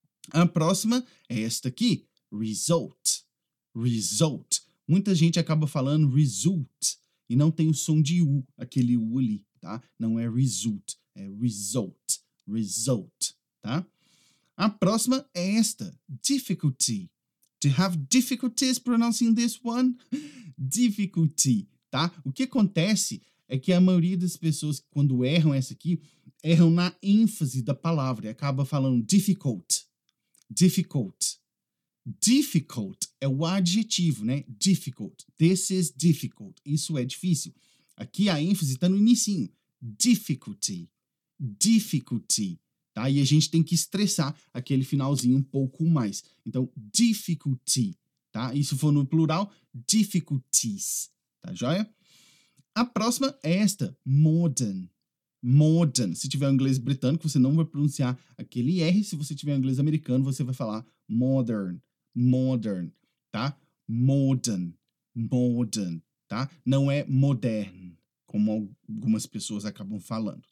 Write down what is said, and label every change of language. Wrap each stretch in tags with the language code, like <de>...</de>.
<pt>A próxima é esta aqui, result, result. Muita gente acaba falando result e não tem o som de U, aquele U ali, tá? Não é result, é result, result, tá? A próxima é esta, difficulty.</pt> <en>Do you have difficulties pronouncing this one?</en> <pt>Difficulty, tá? O que acontece é que a maioria das pessoas, quando erram essa aqui, erram na ênfase da palavra e acaba falando difficult. Difficult. Difficult é o adjetivo, né? Difficult.</pt> <en>This is difficult.</en> <pt>Isso é difícil. Aqui a ênfase está no inicinho. Difficulty. Difficulty. Tá? E a gente tem que estressar aquele finalzinho um pouco mais. Então, difficulty. Tá? Isso for no plural, difficulties. Tá joia? A próxima é esta. Modern. Modern. Se tiver um inglês britânico, você não vai pronunciar aquele R. Se você tiver um inglês americano, você vai falar modern. Modern. Tá? Modern. Modern. Tá? Não é modern, como algumas pessoas acabam falando.</pt>